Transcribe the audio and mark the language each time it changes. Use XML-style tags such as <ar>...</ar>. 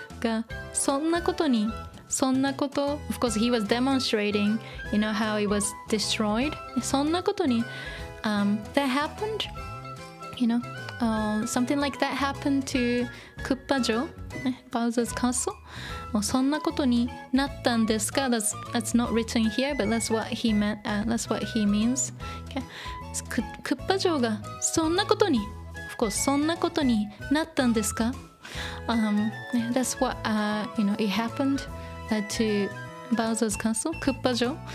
<ja>がそんなことにそんなこと</ja> <en>of course he was demonstrating you know how it was destroyed</en> <ja>そんなことに</ja> <en>that happened you know something like that happened to クッパ城 Bowser's castle</en> <ja>そんなことになったんですか?</ja> <en>That's not written here, but that's what he meant. That's what he means.</en> <ja>クッパ城がそんなことに</ja> <en>of course,</en> <ja>そんなことになったんですか?</ja> <en>That's what you know. It happened to Bowser's castle, クッパ城.</en>